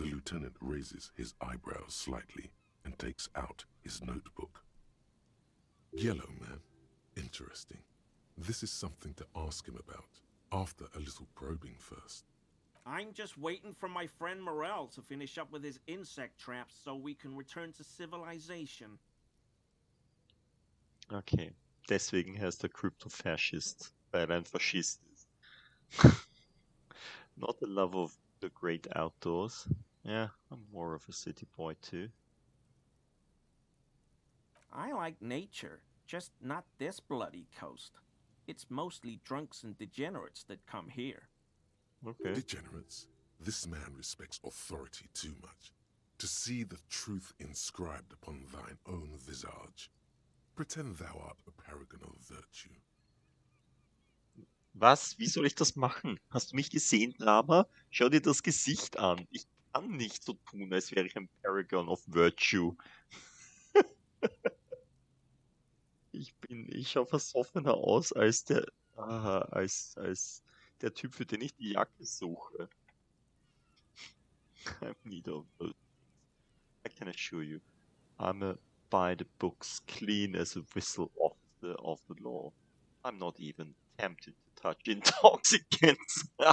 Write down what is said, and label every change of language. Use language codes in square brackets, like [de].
[en] The lieutenant raises his eyebrows slightly and takes out his notebook. Yellow man. Interesting. This is something to ask him about, after a little probing first. I'm just waiting for my friend Morell to finish up with his insect traps so we can return to civilization. [de] Okay, deswegen heißt er Kryptofascist, weil er ein Faschist ist. [en] Not a lover of the great outdoors. Yeah, I'm more of a city boy too. I like nature. Just not this bloody coast. It's mostly drunks and degenerates that come here. Okay. Degenerates? This man respects authority too much. To see the truth inscribed upon thine own visage. Pretend thou art a paragon of virtue. [de] Was? Wie soll ich das machen? Hast du mich gesehen, Drama? Schau dir das Gesicht an. Ich kann nicht so tun, als wäre ich ein [en] paragon of virtue. [de] Ich schaue versoffener aus als der als der Typ, für den ich die Jacke suche. [en] I can assure you, I'm a by the books, clean as a whistle of the law. I'm not even tempted to touch intoxicants.